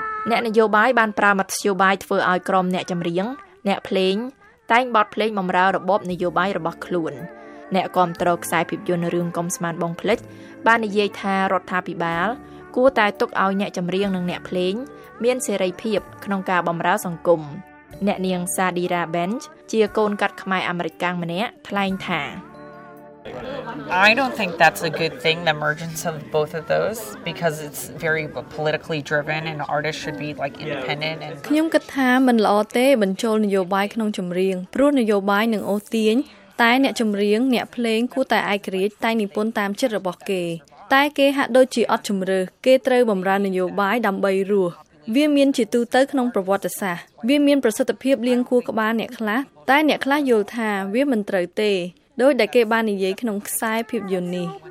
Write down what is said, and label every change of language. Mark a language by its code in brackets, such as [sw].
[km] អ្នកនយោបាយបានប្រើមធ្យោបាយធ្វើឲ្យក្រុមអ្នកចម្រៀងអ្នកភ្លេងតែងបត់ភ្លេងបំរើរបបនយោបាយរបស់ខ្លួនអ្នកគាំទ្រខ្សែភាពយន្តរឿងកុំស្មានបងភ្លេចបាននិយាយថារដ្ឋាភិបាលគួរតែទុកឲ្យអ្នកចម្រៀងនិងអ្នកភ្លេងមានសេរីភាពក្នុងការបម្រើសង្គមអ្នកនាងសាឌីរ៉ាបេនជជាកូនកាត់ខ្មែរអាមេរិកកាំងម្នាក់ថ្លែងថា [en] I don't think that's a good thing the emergence of both of those because it's very politically driven and artists should be like independent and [km] ខ្ញុំគិតថាមិនល្អទេបញ្ចូលនយោបាយក្នុងចម្រៀងព្រោះនយោបាយនឹងអូសទាញតែអ្នកចម្រៀងអ្នកភ្លេងគួរតែឯករាជ្យតែនិពន្ធតាមចិត្តរបស់គេតែគេហាក់ដូចជាអត់ជំរឿគេត្រូវបំរើនយោបាយដើម្បីរស់វាមានជាទូទៅក្នុងប្រវត្តិសាស្ត្រវាមានប្រសិទ្ធភាពលៀងគួរក្បាលអ្នកខ្លះតែអ្នកខ្លះយល់ថាវាមិនត្រូវទេដោយដែលគេបាននិយាយក្នុងខ្សែភាពយន្តនេះ